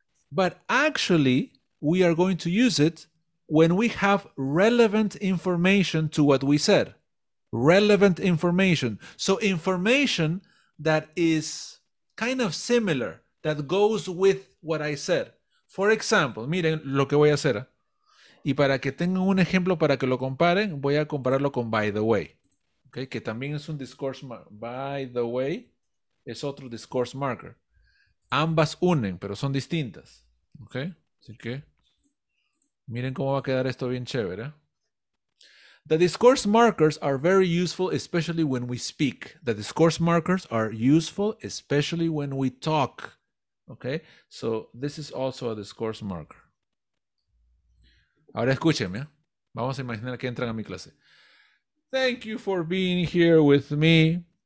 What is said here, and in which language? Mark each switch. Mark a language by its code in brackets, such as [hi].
[en] But actually, we are going to use it when we have relevant information to what we said. Relevant information. So information that is kind of similar, that goes with what I said. For example, [es] miren lo que voy a hacer. Y para que tengan un ejemplo para que lo comparen, voy a compararlo con by the way. Okay, que también es un discourse marker. By the way, es otro discourse marker. Ambas unen, pero son distintas. Okay, así que miren cómo va a quedar esto bien chévere. [en] The discourse markers are very useful, especially when we speak. The discourse markers are useful, especially when we talk. Okay, so this is also a discourse marker. [es] Ahora escúchenme. Vamos a imaginar que entran a mi clase. [en] Thank you for being here with me.